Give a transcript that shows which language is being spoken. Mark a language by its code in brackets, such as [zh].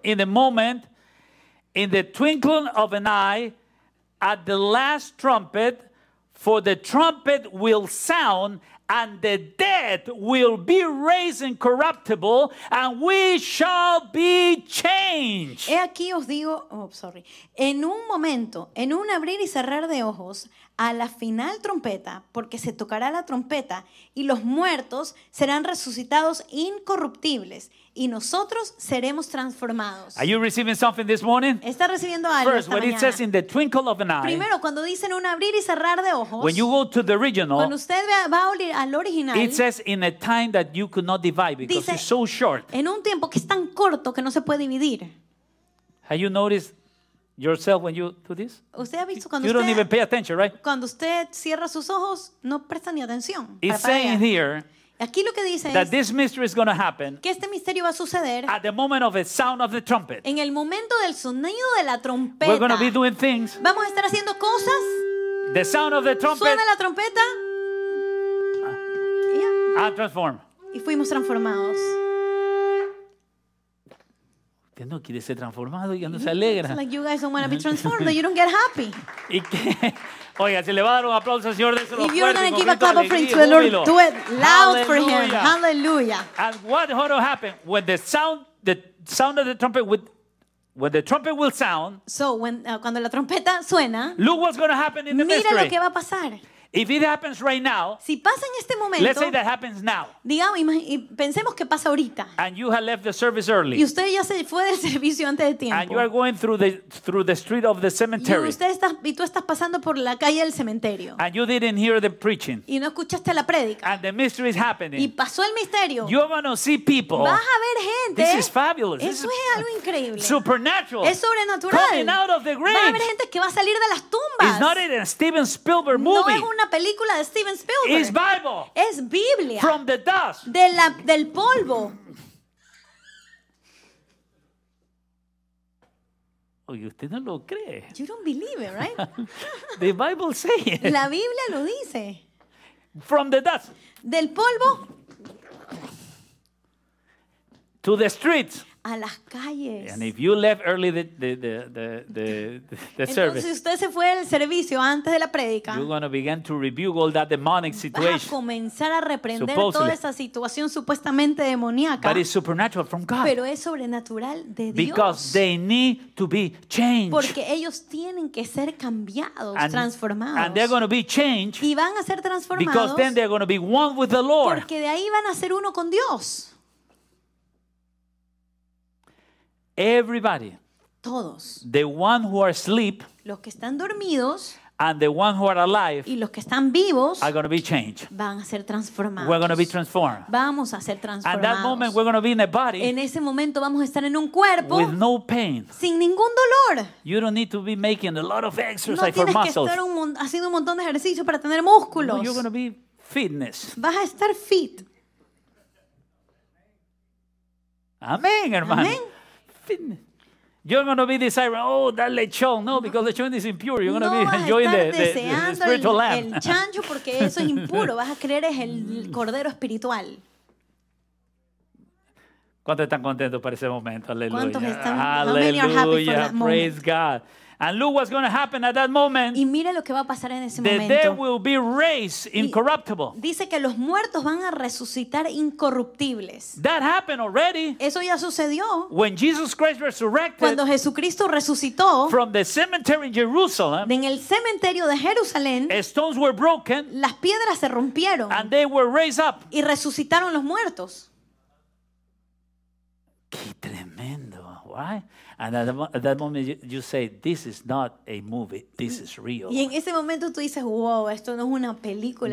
[en] In a moment, in the twinkling of an eye, at the last trumpet, for the trumpet will sound, and the dead will be raised incorruptible, and we shall be changed. [es] He aquí os digo, [en] oh, sorry. [es] En un momento, en un abrir y cerrar de ojos, a la final trompeta, porque se tocará la trompeta y los muertos serán resucitados incorruptibles y nosotros seremos transformados. [en] Are you receiving something this morning? [es] ¿Estás recibiendo algo [en] First, [es] esta mañana? [en] First, when it says in the twinkle of an eye. [es] Primero, cuando dicen un abrir y cerrar de ojos. [en] When you go to the original. [es] Cuando usted va al original. [en] It says in a time that you could not divide because [es] dice, [en] it's so short. [es] En un tiempo que es tan corto que no se puede dividir. [en] Have you noticed yourself when you do this? [es] ¿Usted ha visto cuando [en] you [es] usted, [en] don't even pay attention, right? [es] Cuando usted cierra sus ojos, no presta ni atención. [en] It's saying here. [es] Aquí lo que dice [en] that [es] es [en] this mystery is going to happen [es] que este misterio va a suceder [en] at the moment of the sound of the trumpet. [es] En el momento del sonido de la trompeta. [en] We're going to be doing things. [es] Vamos a estar haciendo cosas. [en] The sound of the trumpet. [es] Suena la trompeta. [en] Yeah. I'll transform. [es] Y fuimos transformados. Usted no quiere ser transformado y ya no se alegra. [en] It's like you guys don't want to be transformed, you don't get happy. [es] ¿Y qué? Oiga, se le va a dar un aplauso al Señor de esos [en] If you're going to give a clap of praise to the Lord, do it loud Hallelujah. For him. Hallelujah. And what will happen when the sound of the trumpet with when the trumpet will sound? So when [es] cuando la trompeta suena. [en] Look what's going to happen in the [es] mira [en] mystery. [es] Mira lo que va a pasar. [en] If it happens right now, [es] si pasa en este momento, [en] let's say that happens now. [es] Digamos, pensemos que pasa ahorita. [en] And you have left the service early. [es] Y usted ya se fue del servicio antes de tiempo. [en] And you are going through the street of the cemetery. [es] Y tú estás pasando por la calle del cementerio. [en] And you didn't hear the preaching. [es] Y no escuchaste la prédica. [en] And the mystery is happening. [es] Y pasó el misterio. [en] You're going to see people. [es] Vas a ver gente. [en] This is fabulous. [es] Eso [en] this [es] es algo increíble. [en] Supernatural. [es] Es sobrenatural. [en] Coming out of the grave. [es] Va a haber gente que va a salir de las tumbas. [en] It's not a Steven Spielberg movie. [es] No es una película de Steven Spielberg. [en] It's Bible. [es] Es Biblia. [en] From the dust. [es] Del polvo. Oye, usted no lo cree. [en] You don't believe it, right? The Bible says it. [es] La Biblia lo dice. [en] From the dust. [es] Del polvo. [en] To the streets. [es] A las calles. [en] And if you left early the [es] entonces, [en] service. [es] Entonces usted se fue del servicio antes de la prédica. [en] You're going to begin to rebuke all that demonic situation. [es] Vas a comenzar a reprender toda esa situación supuestamente demoníaca. [en] But it's supernatural from God. [es] Pero es sobrenatural de Dios. [en] Because they need to be changed. [es] Porque ellos tienen que ser cambiados, transformados. [en] And they're going to be changed. [es] Y van a ser transformados. [en] Because then they're going to be one with the Lord. [es] Porque de ahí van a ser uno con Dios. [en] Everybody, [es] todos, [en] the one who are asleep, [es] los que están dormidos, [en] and the one who are alive, [es] y los que están vivos, [en] are going to be changed. [es] Van a ser transformados. [en] We're going to be transformed. [es] Vamos a ser transformados. [en] And that moment we're going to be in a body. [es] En ese momento vamos a estar en un cuerpo. [en] With no pain. [es] Sin ningún dolor. [en] You don't need to be making a lot of exercise [es] no tienes [en] for muscles. [es] Que estar haciendo un montón de ejercicio para tener músculos. [en] No, you're going to be fitness. [es] Vas a estar fit. Amén, hermano. Amén. [en] You're going to be desiring, oh, that lechón. No, because the lechón is impure. You're [es] no [en] going to be enjoying the spiritual lamb. [es] El chancho porque eso es impuro. Vas a creer es el cordero espiritual. ¿Cuántos están contentos para ese momento? Aleluya. ¿Cuántos están? Aleluya. [en] Praise God. And look what's going to happen at that moment. [es] Y mira lo que va a pasar en ese [en] the [es] momento. [en] The dead will be raised incorruptible. [es] Dice que los muertos van a resucitar incorruptibles. [en] That happened already. [es] Eso ya sucedió. [en] When Jesus Christ resurrected. [es] Cuando Jesucristo resucitó. [en] From the cemetery in Jerusalem. [es] En el cementerio de Jerusalén. [en] Stones were broken. [es] Las piedras se rompieron. [en] And they were raised up. [es] Y resucitaron los muertos. Qué tremendo, ¿why? [en] And at that moment you say, this is not a movie, this is real. [es] Y en ese momento tú dices, wow, esto no es una película,